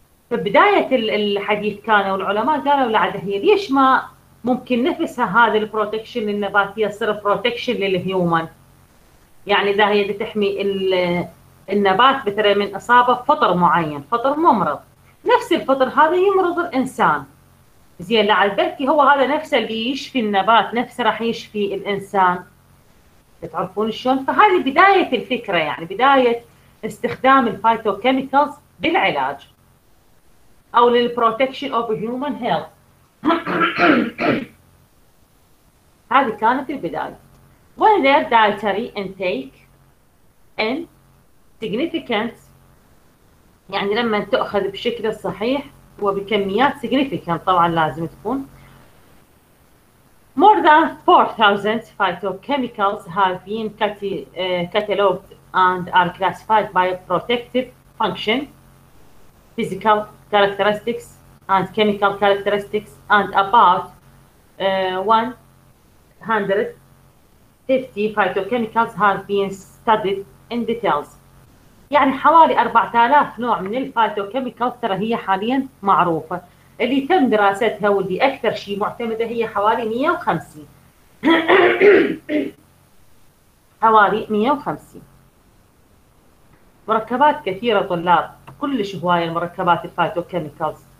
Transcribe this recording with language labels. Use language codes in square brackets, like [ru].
[ar] فبداية الحديث كانوا العلماء قالوا لعد هي ليش ما ممكن نفسها هذا البروتكشن للنبات يصير بروتكشن للهيومن، يعني اذا هي بتحمي النبات مثلا من اصابة فطر معين، فطر ممرض، نفس الفطر هذا يمرض الانسان، زين لعل بركي هو هذا نفسه اللي يشفي النبات نفسه راح يشفي الانسان، تعرفون شلون؟ فهذه بدايه الفكره، يعني بدايه استخدام الفايتو كيميكالز بالعلاج او [en] للبروتكشن of human health. [ar] هذه كانت البدايه. [en] When their dietary intake in significant، [ar] يعني لما تاخذ بشكل صحيح وبكميات significant طبعا لازم تكون [en] more than 4000 phytochemicals have been cataloged and are classified by protective function, physical characteristics and chemical characteristics and about 150 phytochemicals have been studied in details. [ar] يعني حوالي 4000 نوع من الفايتوكيميكال ترى هي حاليا معروفة اللي تم دراستها، واللي أكثر شيء معتمدة هي حوالي 150 مركبات كثيرة طلاب، كلش هواية المركبات الفايتوكيميكالز.